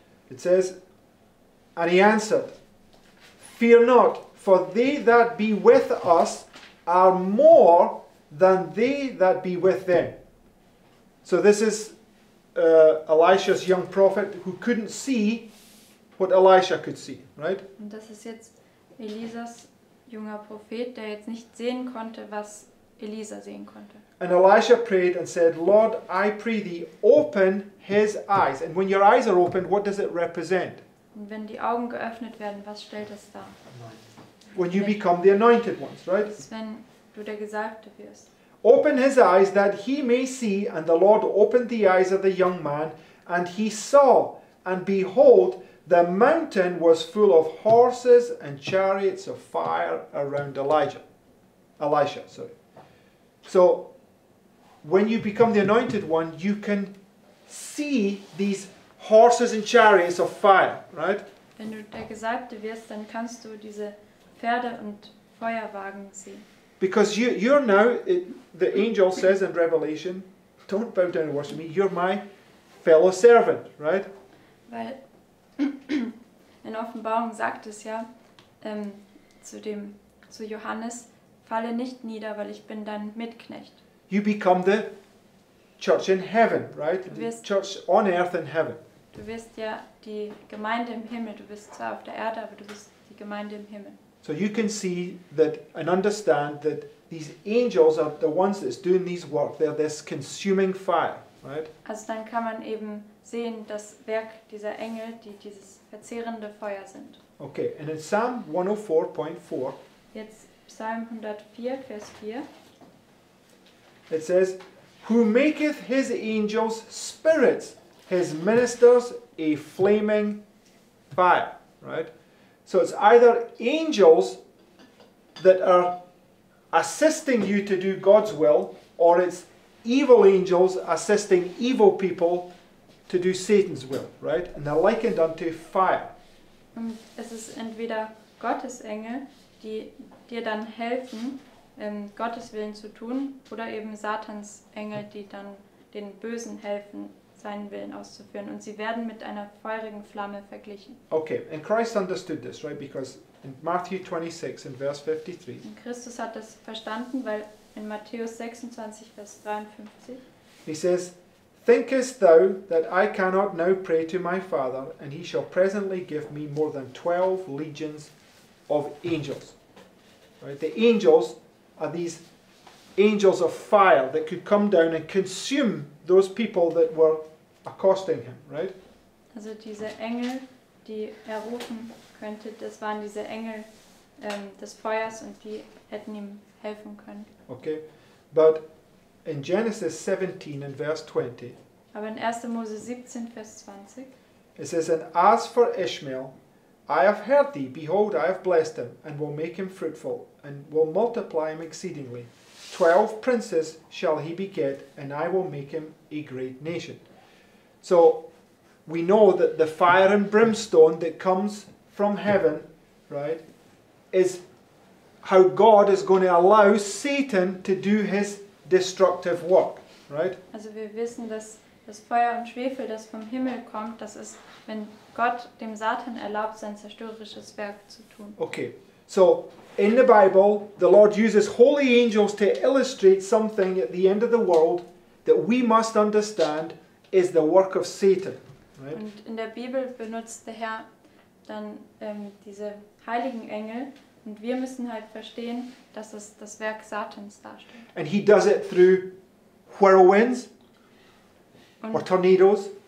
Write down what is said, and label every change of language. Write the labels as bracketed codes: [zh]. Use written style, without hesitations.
[en] It says, and he answered, fear not, for they that be with us are more than they that be with them. So this is Elisha's young prophet who couldn't see what Elisha could see, right? [de] Und das ist jetzt Elisas junger Prophet, der jetzt nicht sehen konnte, was Elisa sehen konnte. [en] And Elisha prayed and said, Lord, I pray thee, open his eyes. And when your eyes are opened, what does it represent? [de] Und wenn die Augen geöffnet werden, was stellt das dar? [en] When you become the anointed ones, right? [de] Das ist, wenn du der Gesalbte wirst. [en] Open his eyes that he may see, and the Lord opened the eyes of the young man, and he saw, and behold, the mountain was full of horses and chariots of fire around Elisha. So, when you become the anointed one, you can see these horses and chariots of fire, right? [de] Wenn du der Gesalbte wirst, dann kannst du diese Pferde und Feuerwagen sehen. [en] Because you're now, the angel says in Revelation, don't bow down and worship me, you're my fellow servant, right? [de] Weil in Offenbarung sagt es ja zu Johannes, falle nicht nieder, weil ich bin dein Mitknecht. [en] You become the church in heaven, right? The church on earth in heaven. [de] Du wirst ja die Gemeinde im Himmel, du bist zwar auf der Erde, aber du bist die Gemeinde im Himmel. [en] So you can see that and understand that these angels are the ones that's doing these work. They're this consuming fire, right? [de] Also dann kann man eben sehen, das Werk dieser Engel, die dieses verzehrende Feuer sind. [en] Okay, and in Psalm 104.4. [de] Jetzt Psalm 104, Vers 4. [en] It says, "Who maketh his angels spirits, his ministers a flaming fire," right? So it's either angels that are assisting you to do God's will, or it's evil angels assisting evil people to do Satan's will, right? And they're likened unto fire. [de] Es ist entweder Gottes Engel, die dir dann helfen, Gottes Willen zu tun, oder eben Satans Engel, die dann den Bösen helfen, seinen Willen auszuführen, und sie werden mit einer feurigen Flamme verglichen. [en] Okay, and Christ understood this, right? Because in Matthew 26 in verse 53. [de] Und Christus hat das verstanden, weil in Matthäus 26 Vers 53. [en] He says, "Thinkest thou that I cannot now pray to my Father, and he shall presently give me more than 12 legions of angels?" Right? The angels are these angels of fire that could come down and consume those people that were accosting him, right? [de] Also diese Engel, die er rufen könnte, das waren diese Engel des Feuers, und die hätten ihm helfen können. [en] Okay, but in Genesis 17 and verse 20. [de] Aber in 1. Mose 17, Vers 20. [en] It says, "And as for Ishmael, I have heard thee, behold, I have blessed him, and will make him fruitful, and will multiply him exceedingly. 12 princes shall he beget, and I will make him a great nation." So we know that the fire and brimstone that comes from heaven, right, is how God is going to allow Satan to do his destructive work, right? [de] Also wir wissen, dass das Feuer und Schwefel, das vom Himmel kommt, das ist, wenn Gott dem Satan erlaubt, sein zerstörerisches Werk zu tun. [en] Okay. So, in the Bible, the Lord uses holy angels to illustrate something at the end of the world that we must understand is the work of Satan. Right? [de] Und in der Bibel benutzt der Herr dann diese heiligen Engel, und wir müssen halt verstehen, dass es das Werk Satans darstellt. [en] And he does it through whirlwinds or tornadoes.